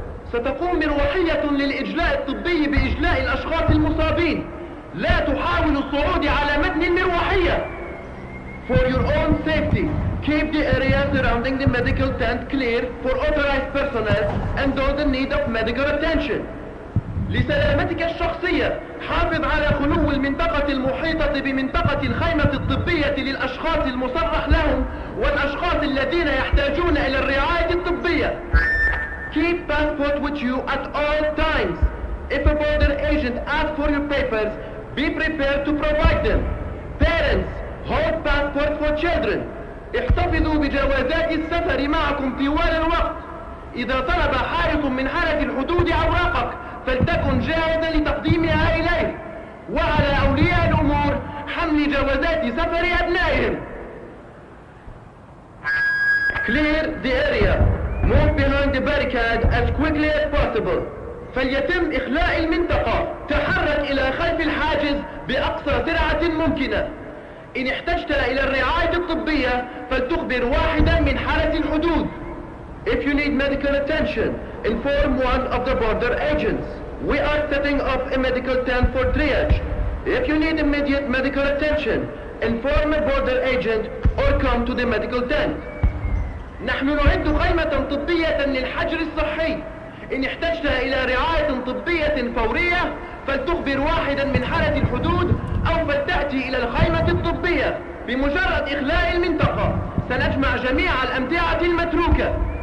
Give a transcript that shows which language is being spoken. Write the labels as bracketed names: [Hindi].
[Arabic] ستقوم مروحية للإجلاء الطبي بإجلاء الأشخاص المصابين. لا تحاول الصعود على متن المروحية. [English] For your own safety, keep the area surrounding the medical tent clear for authorized personnel and those in need of medical attention. [Arabic] لسلامتك الشخصية، حافظ على خلو المنطقة المحيطة بمنطقة الخيمة الطبية للأشخاص المصرح لهم والأشخاص الذين يحتاجون إلى الرعاية الطبية. [English] Keep passport with you at all times. If a border agent asks for your papers, be prepared to provide them. Parents, hold passport for children. [Arabic] احتفظوا بجوازات السفر معكم طوال الوقت. إذا طلب حارس من حرس الحدود أوراقك، فلتكن جاهزا لتقديمها إليه. وعلى أولياء الأمور حمل جوازات سفر أبنائهم. [English] Clear the area. Move behind the barricade as quickly as possible. [Arabic] فليتم إخلاء المنطقة. تحرك إلى خلف الحاجز بأقصى سرعة ممكنة. إن احتجت إلى الرعاية الطبية فلتخبر واحدا من حرس الحدود. [English] If you need medical attention, inform one of the border agents. We are setting up a medical tent for triage. If you need immediate medical attention, inform a border agent or come to the medical tent. [Arabic] نحن نعد خيمة طبية للحجر الصحي. إن احتجت إلى رعاية طبية فورية فلتخبر واحدا من حرس الحدود أو فلتأتي إلى الخيمة الطبية. بمجرد إخلاء المنطقة سنجمع جميع الأمتعة المتروكة.